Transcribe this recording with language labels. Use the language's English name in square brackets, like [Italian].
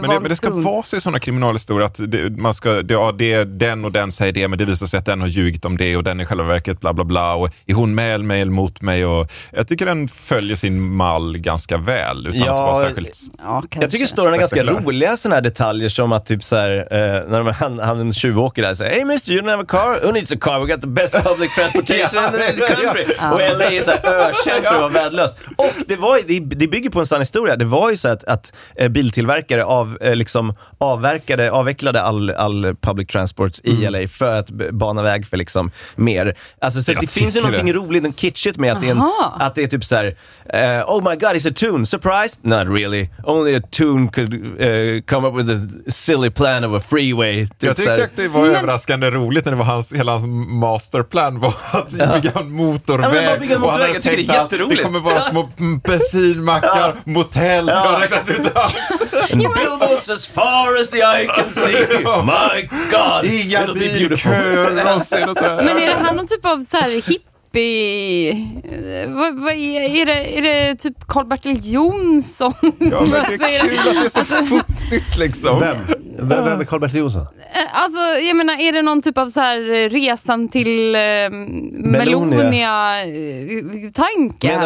[Swedish] Men det ska vara så i sådana kriminalhistorier att det är den och den säger det, men det visar sig att den har ljugit om det och den i själva verket bla bla bla, och är hon med eller mot mig, och jag tycker den följer sin mall ganska väl utan att vara särskilt... Ja, jag tycker storyn är ganska roliga, såna här detaljer som att typ såhär, när han en tjuvåker där säger, [English] hey mister, you don't have a car? Who needs a car? We got the best public transportation in the country. [Swedish] Och LA är såhär ökänd för att vara värdelöst. Och det bygger på en sann historia. Det var ju så att biltillverkare avvecklade all public transport i LA för att bana väg för liksom mer. Alltså, så det finns ju någonting roligt kitschigt med att det är typ såhär, [English] oh my god, it's a tune, surprise, not really, only a tune could come up with a silly plan of a freeway, typ. [Swedish] Jag tyckte att det var överraskande roligt när det var hela hans masterplan var att bygga en motorväg, och han hade tänkt att det kommer vara små bensinmackar, motell, jag har räknat ut allt. [English] Billboards as far as the eye can see. My god, [Swedish] inga bilköer någonsin och sådär. Men är det här någon typ av såhär hip Är det typ Karl-Bertil Jonsson? Ja, det är kul att det är så futtigt liksom. Vem är Karl-Bertil Jonsson? Alltså, jag menar, är det någon typ av så här resan till Melonia-tanke?